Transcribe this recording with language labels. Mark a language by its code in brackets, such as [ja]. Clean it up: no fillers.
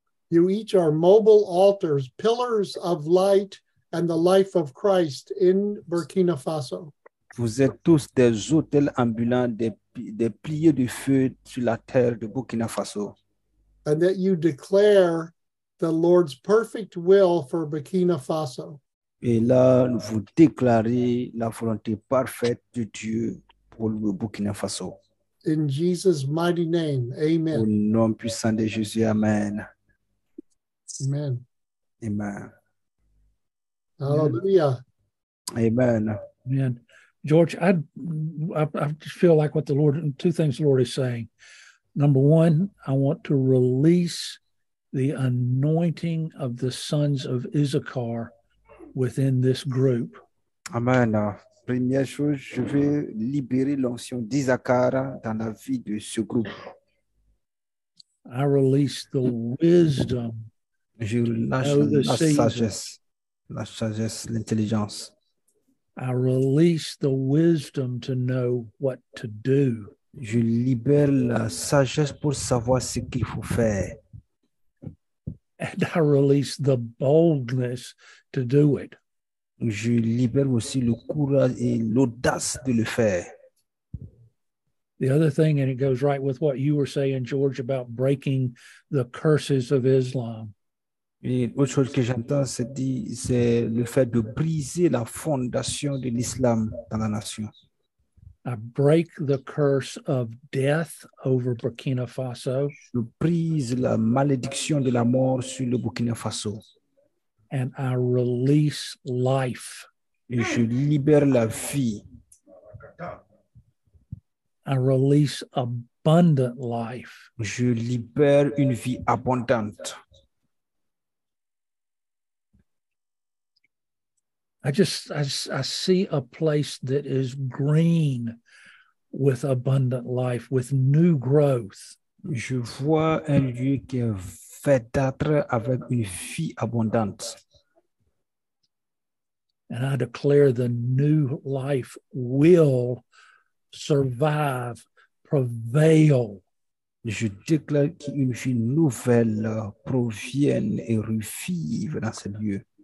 [en] You each are mobile altars, pillars of light and the life of Christ in Burkina Faso. [fr] Vous êtes tous des autels ambulants, des piliers de feu sur la terre de Burkina Faso. [en] And that you declare the Lord's perfect will for Burkina Faso. [fr] Et là, vous déclarez la volonté parfaite de Dieu pour le Burkina Faso. [en] In Jesus' mighty name, amen. [fr] Au nom puissant de Jésus, amen. Amen. Amen. Hallelujah. Amen. Amen. [en] George, I just feel like what the Lord, two things the Lord is saying. Number one, I want to release the anointing of the sons of Issachar within this group. Amen. [fr] Première chose, je veux libérer l'onction d'Issachar dans la vie de ce groupe. [en] I release the wisdom. [fr] Je lâche la sagesse, l'intelligence. [en] I release the wisdom to know what to do. [fr] Je libère la sagesse pour savoir ce qu'il faut faire. [en] And I release the boldness to do it. [fr] Je libère aussi le courage et l'audace de le faire. [en] The other thing, and it goes right with what you were saying, George, about breaking the curses of Islam. [fr] Et autre chose que j'entends, c'est le fait de briser la fondation de l'islam dans la nation. [en] I break the curse of death over Burkina Faso. [fr] Je brise la malédiction de la mort sur le Burkina Faso. [en] And I release life. [fr] Et je libère la vie. [en] I release abundant life. [fr] Je libère une vie abondante. [en] I see a place that is green with abundant life, with new growth. [fr] Je vois un lieu qui est verdâtre avec une vie abondante. [en] And I declare the new life will survive, prevail. [fr] Je déclare qu'une vie nouvelle provienne et revive dans ce lieu.